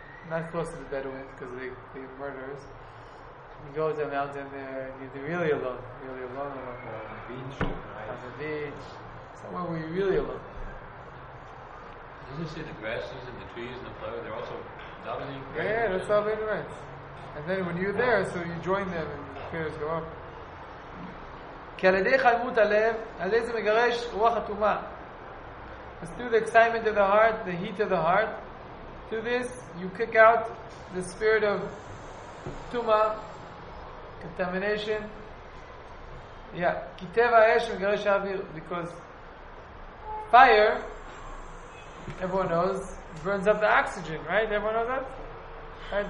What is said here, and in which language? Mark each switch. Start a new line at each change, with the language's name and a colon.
English: Not close to the Bedouins, because they are murderers. You go to the mountain there, and you're really alone. Really alone. On the beach. On the beach. Somewhere where you're really alone. Did you see the grasses and the trees and the flowers? They're also dominating. Yeah, that's all they do. And then when you're there, so you join them, and the prayers go up.
Hebrew: כי על ידי חלמות הלב, על ידי זה מגרש רוח התומה.
English: It's through the excitement of the heart, the heat of the heart. Through this, you kick out the spirit of tuma, contamination. Yeah,
Hebrew: kiteva esh v'garesh avir,
English: because fire, everyone knows, burns up the oxygen, right? Everyone knows that? Right?